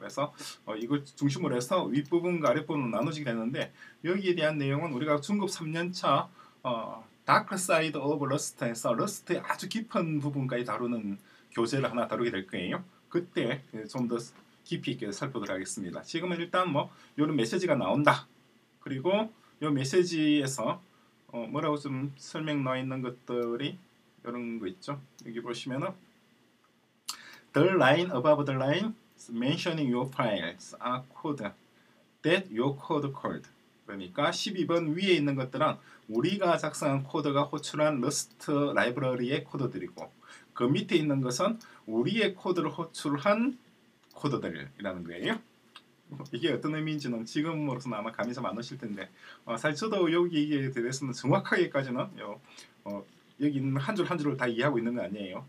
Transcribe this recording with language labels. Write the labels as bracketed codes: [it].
[ko] 그래서 이걸 중심으로 해서 윗부분과 아랫부분으로 나눠지게 되는데, 여기에 대한 내용은 우리가 중급 3년차 다크 사이드 오브 러스트에서 러스트의 아주 깊은 부분까지 다루는 교재를 하나 다루게 될 거예요. 그때 좀더 깊이 있게 살펴보도록 하겠습니다. 지금은 일단 뭐 이런 메시지가 나온다. 그리고 요 메시지에서 뭐라고 좀 설명 나와 있는 것들이 이런 거 있죠. 여기 보시면은 [en] The line above the line mentioning your files are code that your code called. [ko] 그러니까 12번 위에 있는 것들은 우리가 작성한 코드가 호출한 러스트 라이브러리의 코드들이고, 그 밑에 있는 것은 우리의 코드를 호출한 코드들이라는 거예요. 이게 어떤 의미인지는 지금으로서는 아마 감이 좀안 오실 텐데, 사실 저도 여기에 대해서는 정확하게까지는 여기 있는 한줄한 줄을 다 이해하고 있는 거 아니에요.